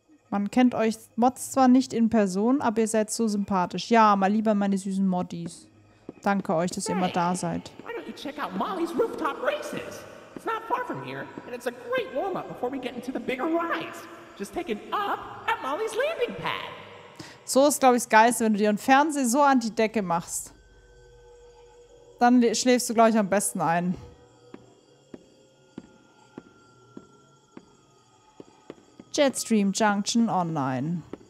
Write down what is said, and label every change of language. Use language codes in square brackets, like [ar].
[de] Man kennt euch Mods zwar nicht in Person, aber ihr seid so sympathisch. Ja, mal lieber meine süßen Moddies. Danke euch, dass ihr immer da seid. [en] Why don't you check out Molly's rooftop races? It's not far from here, and it's a great warm-up before we get into the bigger rides. Just take it up at Molly's landing pad. [de] So ist, glaube ich, das Geilste, wenn du dir einen Fernseher so an die Decke machst. Dann schläfst du, glaube ich, am besten ein. [en] Jetstream Junction online.